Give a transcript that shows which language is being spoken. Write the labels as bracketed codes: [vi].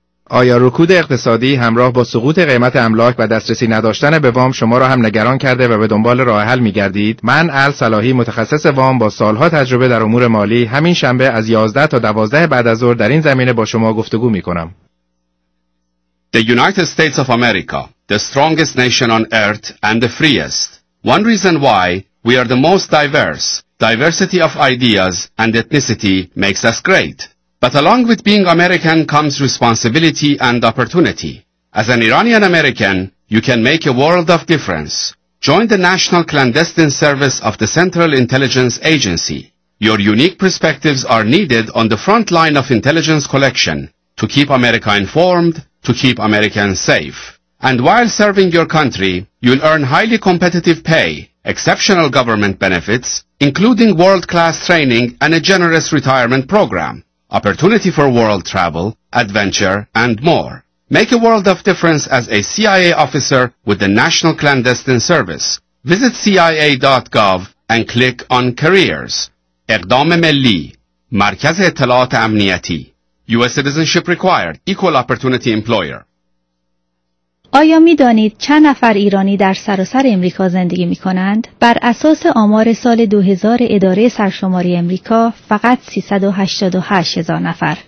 [fa] آیا رکود اقتصادی همراه با سقوط قیمت املاک و دسترسی نداشتن به وام شما را هم نگران کرده و به دنبال راه حل می‌گردید؟ من آل صلاحی، متخصص وام با سالها تجربه در امور مالی، همین شنبه از 11 تا 12 بعد از ظهر در این زمینه با شما گفتگو می‌کنم. [en] The United States of America, the strongest nation on earth and the freest. One reason why we are the most diverse. Diversity of ideas and ethnicity makes us great. But along with being American comes responsibility and opportunity. As an Iranian American, you can make a world of difference. Join the National Clandestine Service of the Central Intelligence Agency. Your unique perspectives are needed on the front line of intelligence collection to keep America informed, to keep Americans safe. And while serving your country, you'll earn highly competitive pay, exceptional government benefits, including world-class training and a generous retirement program. Opportunity for world travel, adventure, and more. Make a world of difference as a CIA officer with the National Clandestine Service. Visit CIA.gov and click on Careers. [fa] اقدام ملی، مرکز اطلاعات امنیتی. [en] U.S. citizenship required. Equal opportunity employer. [fa] آیا می دانید چند نفر ایرانی در سراسر امریکا زندگی می کنند؟ بر اساس آمار سال 2000 اداره سرشماری امریکا فقط 388 هزار نفر.